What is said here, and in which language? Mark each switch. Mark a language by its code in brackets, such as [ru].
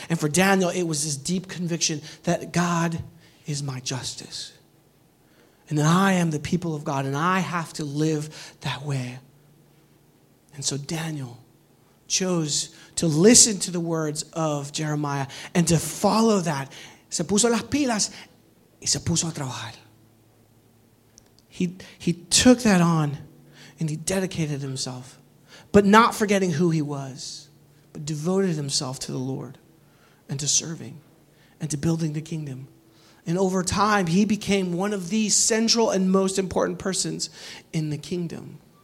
[en] And for Daniel, it was this deep conviction that God is my justice. And that I am the people of God, and I have to live that way. And so Daniel chose to listen to the words of Jeremiah and to follow that. [es] Se puso las pilas y se puso a trabajar. [en] He took that on and he dedicated himself, but not forgetting who he was, but devoted himself to the Lord and to serving and to building the kingdom. And over time, he became one of the central and most important persons in the kingdom.